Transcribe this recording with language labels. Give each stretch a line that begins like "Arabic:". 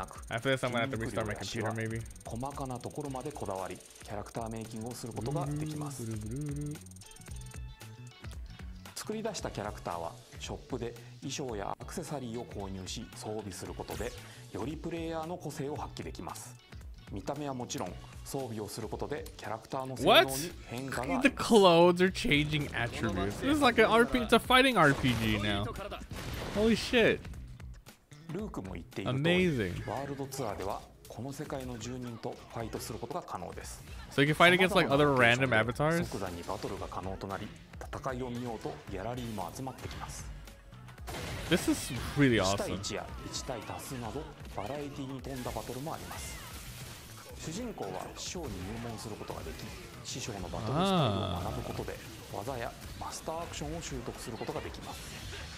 English: After this, I'm gonna have to restart my computer, maybe.
Japanese: 細かなところまでこだわり、キャラクターメイキングをすることができます。作り出したキャラクターは、ショップで衣装やアクセサリーを購入し、装備することで、よりプレイヤーの個性を発揮できます。見た目はもちろん装備をすることでキャラクターの性能に変化がある。
English: The clothes are changing attributes. This is like an RPG. It's a fighting RPG now. Holy shit.
Japanese: ルークも言っている通り、ワールドツアーではこの世界の住人とファイトすることが可能です。
English: So you can fight against like other random avatars?
Japanese: 即座にバトルが可能となり、戦いを見ようとギャラリーも集まってきます。
English: This is really awesome.
Japanese: 1対1や1対多数などバラエティに富んだバトルもあります。主人公は師匠に入門することができ、師匠のバトルスタイルを学ぶことで技やマスターアクションを習得することができます。